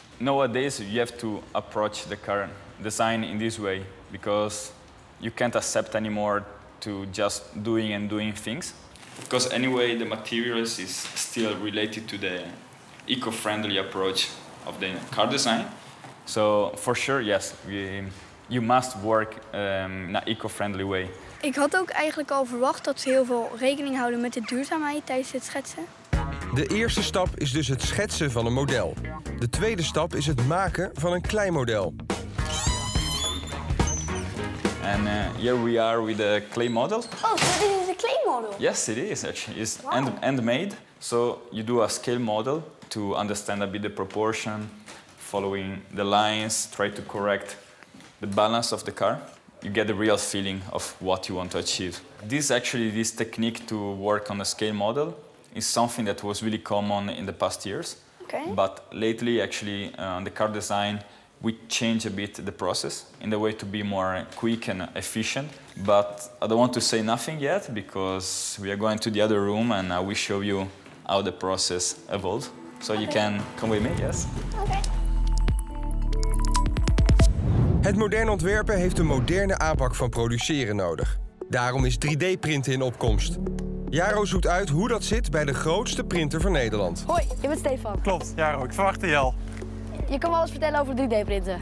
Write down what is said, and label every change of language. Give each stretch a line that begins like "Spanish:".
English: Nowadays, you have to approach the car design in this way because you can't accept anymore to just doing things. Because anyway, the materials is still related to the eco-friendly approach of the car design. So for sure, yes. You must work in an eco-friendly way.
Dutch: Ik had ook eigenlijk al verwacht dat ze heel veel rekening houden met de duurzaamheid tijdens het schetsen. De eerste stap is dus het schetsen van een model. De tweede stap is het maken van een klein model.
English: And here we are with a clay model. Oh, so this is a clay model? Yes, it is actually. It's handmade. So you do a scale model to understand a bit the proportion, following the lines, try to correct the balance of the car, you get the real feeling of what you want to achieve. This technique to work on a scale model is something that was really common in the past years. Okay. But lately, actually, the car design, we change a bit the process in the way to be more quick and efficient. But I don't want to say nothing yet because we are going to the other room and I will show you how the process evolved. So okay. You can come with me, yes? Okay.
Dutch: Het moderne ontwerpen heeft een moderne aanpak van produceren nodig. Daarom is 3D-printen in opkomst. Jaro zoekt uit hoe dat zit bij de grootste printer van Nederland. Hoi, ik ben Stefan. Klopt, Jaro, ik verwachtte je al. Je kan wel eens vertellen over 3D-printen.